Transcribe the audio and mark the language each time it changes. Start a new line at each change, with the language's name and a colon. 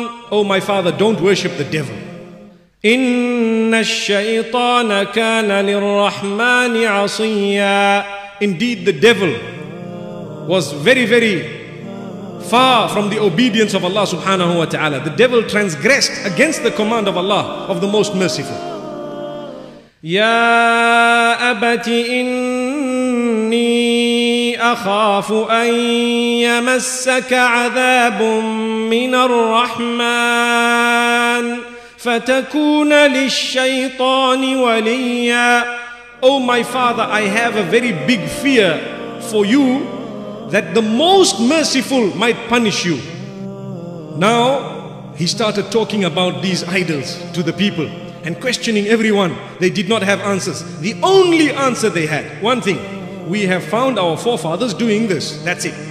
English: Oh my father, don't worship the devil.
Arabic: إن الشيطان كان للرحمن عصيا.
English: Indeed, the devil was very, very far from the obedience of Allah subhanahu wa ta'ala. The devil transgressed against the command of Allah, of the Most Merciful.
Arabic: يا أبت إني أخاف أن يمسك عذاب من الرحمن فتكون للشيطان وليا.
English: Oh my father, I have a very big fear for you that the most merciful might punish you. Now, he started talking about these idols to the people and questioning everyone. They did not have answers. The only answer they had, one thing, we have found our forefathers doing this. That's it.